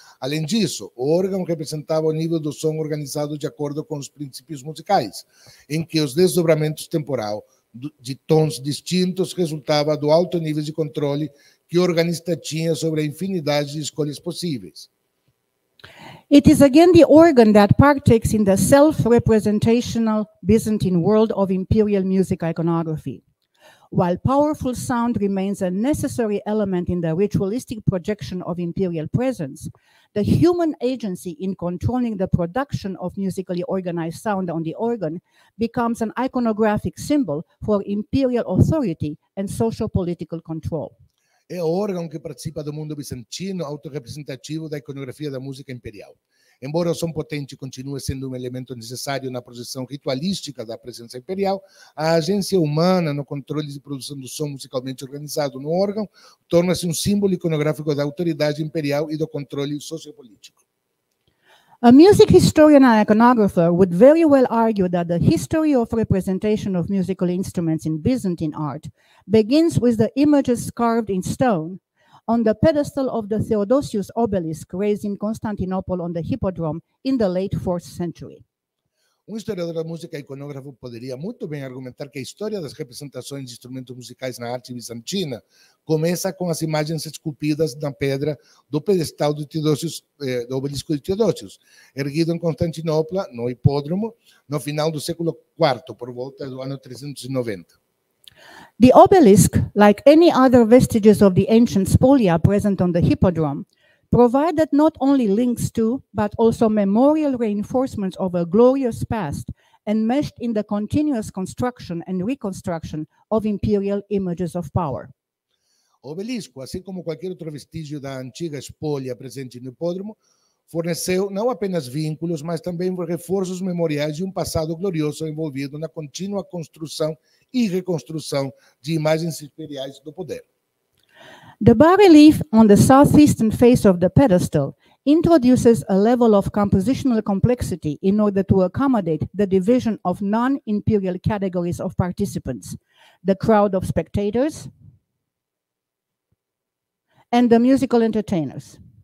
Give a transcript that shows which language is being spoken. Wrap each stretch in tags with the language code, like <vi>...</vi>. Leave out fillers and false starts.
<pt>Além disso, o órgão representava o nível do som organizado de acordo com os princípios musicais, em que os desdobramentos temporal de tons distintos resultava do alto nível de controle que o organista tinha sobre a infinidade de escolhas possíveis.</pt> <en>It is again the organ that partakes in the self-representational Byzantine world of imperial music iconography. While powerful sound remains a necessary element in the ritualistic projection of imperial presence, the human agency in controlling the production of musically organized sound on the organ becomes an iconographic symbol for imperial authority and socio-political control.</en> <pt>É o órgão que participa do mundo bizantino autorrepresentativo da iconografia da música imperial. Embora o som potente continue sendo um elemento necessário na projeção ritualística da presença imperial, a agência humana no controle de produção do som musicalmente organizado no órgão torna-se um símbolo iconográfico da autoridade imperial e do controle sociopolítico.</pt> <en>A music historian and iconographer would very well argue that the history of representation of musical instruments in Byzantine art begins with the images carved in stone on the pedestal of the Theodosius obelisk raised in Constantinople on the Hippodrome in the late 4th century.</en> <pt>Um historiador da música iconógrafo poderia muito bem argumentar que a história das representações de instrumentos musicais na arte bizantina começa com as imagens esculpidas na pedra do pedestal de Teodósios, do obelisco de Teodósios, erguido em Constantinopla, no hipódromo, no final do século IV, por volta do ano 390.</pt> <en>The obelisk, like any other vestiges of the ancient spolia present on the hippodrome, provided not only links to, but also memorial reinforcements of a glorious past enmeshed in the continuous construction and reconstruction of imperial images of power.</en> <pt>Obelisco, assim como qualquer outro vestígio da antiga espólia presente no hipódromo, forneceu não apenas vínculos, mas também reforços memoriais de passado glorioso envolvido na contínua construção e reconstrução de imagens imperiais do poder.</pt> <en>The bas-relief on the southeastern face of the pedestal introduces a level of compositional complexity in order to accommodate the division of non-imperial categories of participants, the crowd of spectators, and the musical entertainers.</en>